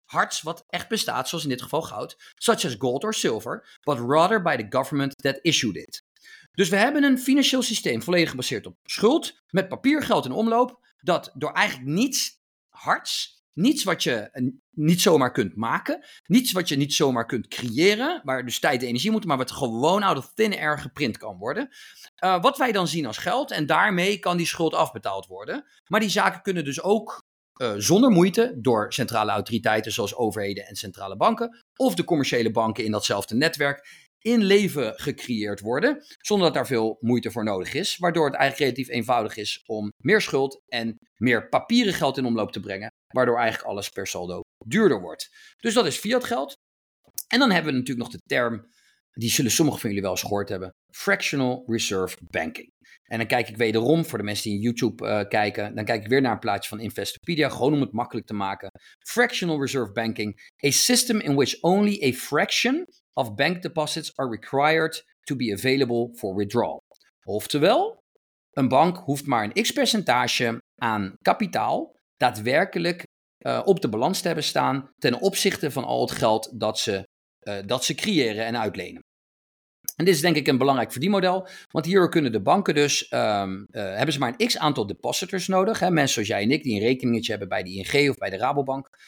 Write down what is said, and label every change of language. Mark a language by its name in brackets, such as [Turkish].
[Dutch] harts wat echt bestaat, zoals in dit geval goud, [English] such as gold or silver, but rather by the government that issued it. [Dutch] Dus we hebben een financieel systeem volledig gebaseerd op schuld, met papiergeld in omloop, dat door eigenlijk niets harts, niets wat je niet zomaar kunt maken, niets wat je niet zomaar kunt creëren, waar dus tijd en energie moet, maar wat gewoon [English] out of thin air [Dutch] geprint kan worden. Wat wij dan zien als geld, en daarmee kan die schuld afbetaald worden. Maar die zaken kunnen dus ook zonder moeite door centrale autoriteiten zoals overheden en centrale banken of de commerciële banken in datzelfde netwerk in leven gecreëerd worden, zonder dat daar veel moeite voor nodig is, waardoor het eigenlijk relatief eenvoudig is om meer schuld en meer papieren geld in omloop te brengen, waardoor eigenlijk alles per saldo duurder wordt. Dus dat is fiat geld. En dan hebben we natuurlijk nog de term, die zullen sommigen van jullie wel eens gehoord hebben, fractional reserve banking. En dan kijk ik wederom, voor de mensen die in YouTube kijken, dan kijk ik weer naar een plaatje van Investopedia, gewoon om het makkelijk te maken. [English] Fractional reserve banking, a system in which only a fraction of bank deposits are required to be available for withdrawal. [Dutch] Oftewel, een bank hoeft maar een x-percentage aan kapitaal daadwerkelijk op de balans te hebben staan ten opzichte van al het geld dat ze creëren en uitlenen. En dit is denk ik een belangrijk verdienmodel, want hier kunnen de banken dus, hebben ze maar een x-aantal depositors nodig, hè, mensen zoals jij en ik die een rekeningetje hebben bij de ING of bij de Rabobank.